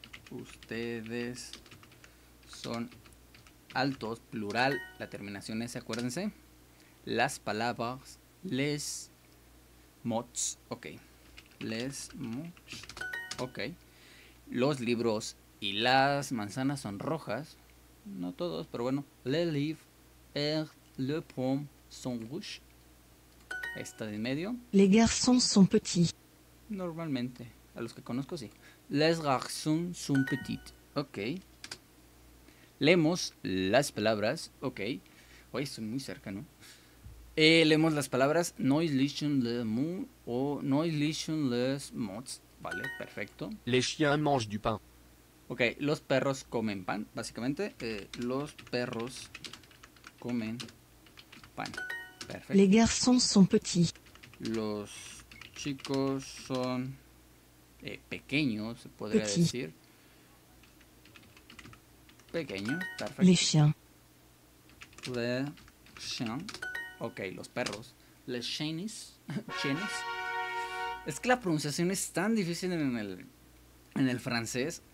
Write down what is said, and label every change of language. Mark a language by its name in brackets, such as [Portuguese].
[Spanish] Ustedes son altos, plural, la terminación es, acuérdense. Las palabras, [French] les mots, [Spanish] ok. [French] Les mots, [Spanish] ok. Los libros y las manzanas son rojas. No todos, pero bueno. [French] Les livres, les pommes sont rouges. [Spanish] Esta de en medio. [French] Les garçons sont petits. [Spanish] Normalmente. A los que conozco, sí. [French] Les garçons sont petits. [Spanish] Ok. Leemos las palabras. Ok. Oye, estoy muy cerca, ¿no? Leemos las palabras. [French] Nous lisons les mots. O nous lisons les mots. [Spanish] Vale, perfecto. [French] Les chiens mangent du pain. [Spanish] Ok. Los perros comen pan, básicamente. Los perros comen pan. Perfecto. [French] Les garçons sont petits. [Spanish] Los chicos son... pequeño, se podría petit. Decir. Pequeño, perfecto. [French] Les chiens. Les chiens. Ok, [Spanish] los perros. [French] Les chiens. Chiens. [Spanish] Es que la pronunciación es tan difícil en el francés.